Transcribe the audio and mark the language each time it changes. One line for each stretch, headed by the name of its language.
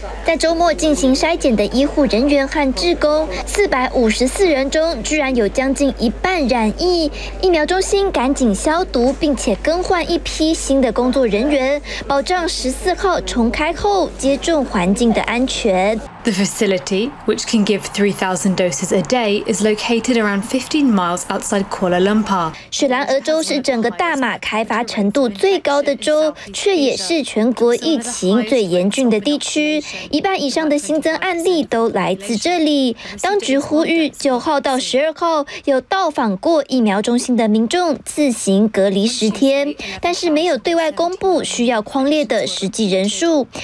Chinese: 在周末进行筛检的医护人员和志工454人中居然有将近一半染疫，疫苗中心赶紧消毒并且更换一批新的工作人员，保障14号重开后接种环境的安全。
English: The facility, which can give 3,000 doses a day, is located around 15 miles outside Kuala Lumpur.
Chinese: 雪兰莪州是整个大马开发程度最高的州，却也是全国疫情最严峻的地区。一半以上的新增案例都来自这里。当局呼吁9号到12号有到访过疫苗中心的民众自行隔离10天，但是没有对外公布需要框列的实际人数。